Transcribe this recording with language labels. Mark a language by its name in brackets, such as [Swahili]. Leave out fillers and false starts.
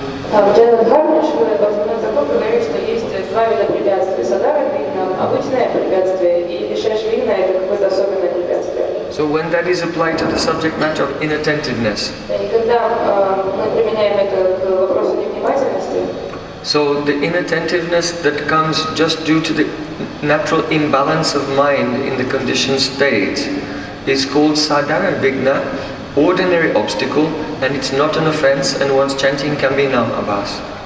[Russian] В Джайнадхарме Шрила Бхактисиддханта Тхакур говорит, что есть два вида препятствий. Садхара Вигна – обычное препятствие, и Вишеш Вигна – это какое-то особенное препятствие. [English] So when that is applied to the subject matter of inattentiveness. [Russian] И когда мы применяем это к вопросу невнимательности. [English] So the inattentiveness that comes just due to the natural imbalance of mind in the conditioned state is called Sadhara Vigna, ordinary obstacle, and it's not an offense, and one's chanting can be nam abhas.